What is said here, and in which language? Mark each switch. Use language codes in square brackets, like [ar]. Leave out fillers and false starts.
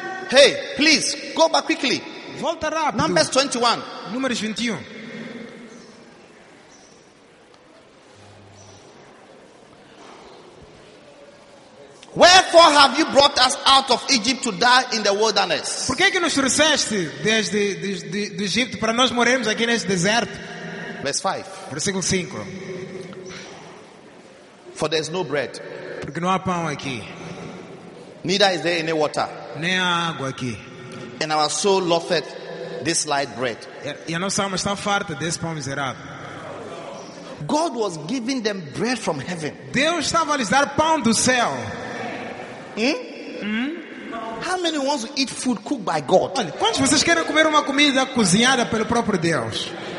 [en] Hey, please go back quickly. [pt] Volta rápido. [en] Numbers 21. [pt] Números 21. [en] Wherefore have you brought us out of Egypt to die in the wilderness? [pt] Por que nos trouxeste desde do Egito para nós morrermos aqui neste deserto? [en] Verse 5. [pt] Versículo 5. [en] For there is no bread. [pt] Porque não há pão aqui. [en] Neither is there any water. [pt] Nem há água aqui. [en] And our soul loveth this light bread. [pt] E a nossa alma está farta desse pão miserável. [en] God was giving them bread from heaven. [pt] Deus estava lhes dar pão do céu. [en] How many wants to eat food cooked by God? [pt] Olha, quantos vocês querem comer uma comida cozinhada pelo próprio Deus?